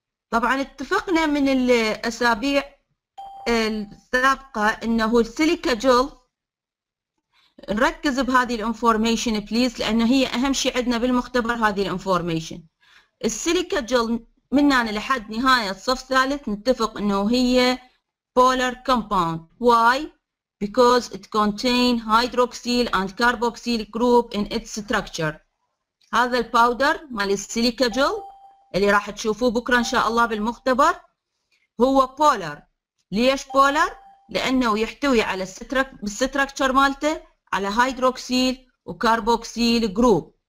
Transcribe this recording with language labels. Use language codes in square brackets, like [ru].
[ar] طبعا اتفقنا من الاسابيع السابقه انه السيليكا جل، نركز بهذه الانفورميشن بليز لانه هي اهم شيء عندنا بالمختبر هذه الانفورميشن. السيليكا جل من هنا لحد نهاية الصف الثالث نتفق انه هي [en] polar compound. Why? Because it contain hydroxyl and carboxyl group in its structure. [ar] هذا الباودر مال السيليكا جل اللي راح تشوفوه بكرة ان شاء الله بالمختبر هو polar. ليش polar؟ لانه يحتوي على الستركتشر مالته على hydroxyl وcarboxyl group.